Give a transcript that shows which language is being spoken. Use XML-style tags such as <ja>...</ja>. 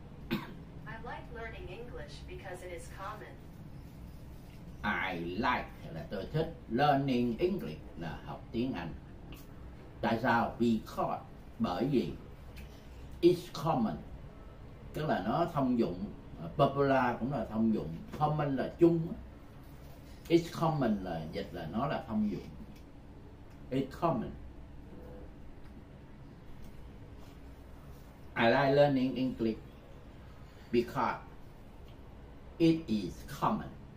<en>I like learning English because it is common. I like</en> <vi>là tôi thích.</vi> <en>Learning English</en> <vi>là học tiếng Anh. Tại sao?</vi> <en>Because.</en> <vi>Bởi vì.</vi> <en>It's common.</en> <vi>Tức là nó thông dụng.</vi> <en>Popular</en> <vi>cũng là thông dụng.</vi> <en>Common</en> <vi>là chung.</vi> <en>It's common</en> <vi>là dịch là nó là thông dụng. It's common.</vi> <en>I like learning English because it is common.</en>